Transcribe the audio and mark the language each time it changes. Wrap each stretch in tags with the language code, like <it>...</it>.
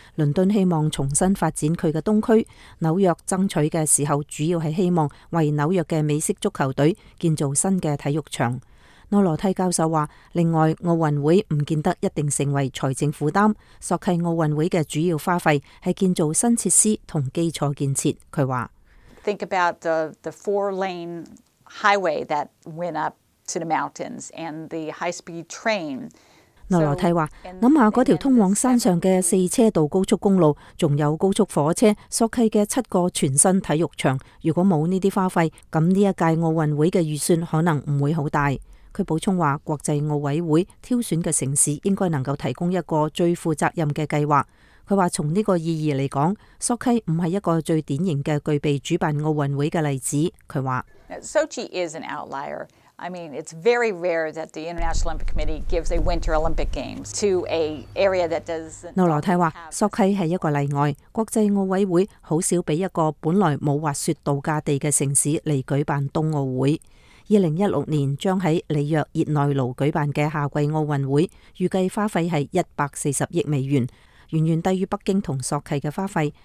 <zh>伦敦希望重新发展它的东区，纽约争取的时候主要是希望为纽约的美式足球队建造新的体育场。内罗蒂教授说，另外奥运会不见得一定成为财政负担，索契奥运会的主要花费是建造新设施和基础建设。他说</zh> <en>Think about the four-lane highway that went up to the mountains and the high-speed train。</en> <zh>内罗蒂说，想想那条通往山上的四车道高速公路，还有高速火车，索契的7个全新体育场，如果没有这些花费，那这一届奥运会的预算可能不会很大。他补充说，国际奥委会挑选的城市应该能够提供一个最负责任的计划。他说，从这个意义来讲，索契不是一个最典型的具备主办奥运会的例子。他说</zh> <en>Sochi is an outlier. I mean, it's very rare that the International Olympic Committee gives a Winter Olympic Games to an area that doesn't.</en> <zh>诺罗蒂说，索契是一个例外，国际奥委会很少给一个本来没有滑雪度假地的城市来举办冬奥会。 2016年将在里约热内卢举办的夏季奥运会预计花费是140亿美元，远远低于北京和索契的花费。</zh>